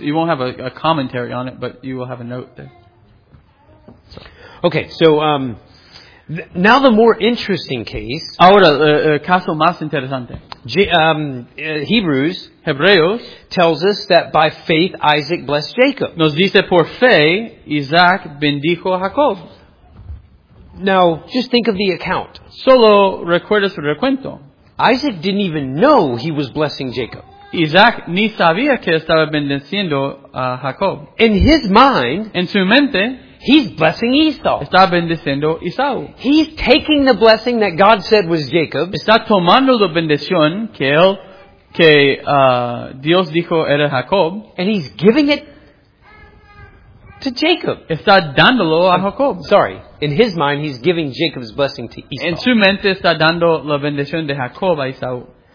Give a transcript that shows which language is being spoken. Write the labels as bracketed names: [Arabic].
[English] You won't have a commentary on it, but you will have a note there. So. Okay, so now the more interesting case. [Spanish] Ahora, caso más interesante. [English] Hebrews. [Spanish] Hebreos. [English] Tells us that by faith Isaac blessed Jacob. [Spanish] Nos dice por fe, Isaac bendijo a Jacob. [English] Now, just think of the account. [Spanish] Solo recuerdas el recuento. [English] Isaac didn't even know he was blessing Jacob. [Spanish] Isaac ni sabía que estaba bendiciendo a Jacob. [English] In his mind, [Spanish] en su mente, [English] he's blessing Esau. [Spanish] Está bendiciendo Esau. [English] He's taking the blessing that God said was Jacob's. [Spanish] Está tomando la bendición que él, que Dios dijo era Jacob. [English] And he's giving it to Jacob. [Spanish] Está dándolo a Jacob. [English] Sorry. In his mind, he's giving Jacob's blessing to Esau. [Spanish] En su mente está dando la bendición de Jacob a Esau.